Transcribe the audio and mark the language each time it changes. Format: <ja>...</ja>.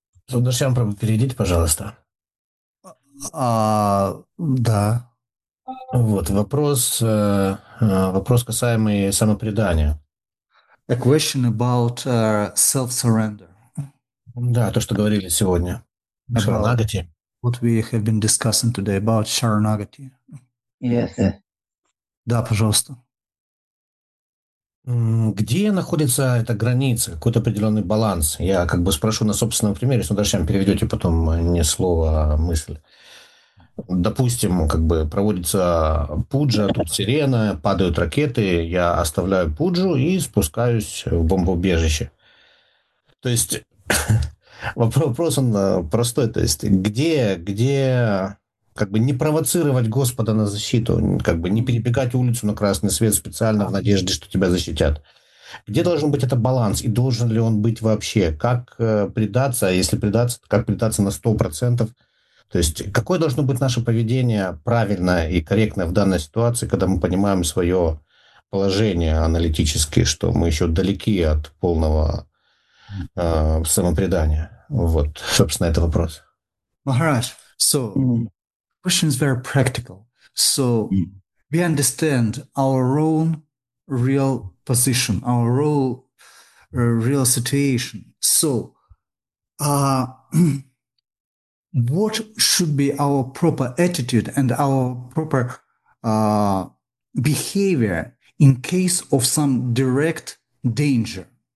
<ru>Сударшьям Прабху, перейдите, пожалуйста. Да. Вот вопрос, вопрос касаемый самопредания.</ru> <en>A question about self-surrender.</en> <ru>Да, то, что говорили сегодня.</ru> <en>About</en> <ru>Шаранагати.</ru> <en>What we have been discussing today about Sharanagati. Yes.</en> <ru>Да, пожалуйста. Где находится эта граница, какой-то определенный баланс? Я как бы спрошу на собственном примере, Сударшьям, переведете потом не слово, а мысль. Допустим, как бы проводится пуджа, тут сирена, падают ракеты, я оставляю пуджу и спускаюсь в бомбоубежище. То есть вопрос он простой, то есть где как бы не провоцировать Господа на защиту, как бы не перебегать улицу на красный свет специально в надежде, что тебя защитят. Где должен быть этот баланс и должен ли он быть вообще? Как предаться, если предаться, как предаться на 100%? То есть какое должно быть наше поведение правильное и корректное в данной ситуации, когда мы понимаем свое положение аналитически, что мы еще далеки от полного самопредания? Вот, собственно, это вопрос.</ru> <en>Махарадж, so question is very practical. So we understand our own real position, our own real situation. So what should be our proper attitude and our proper behavior in case of some direct danger?</en>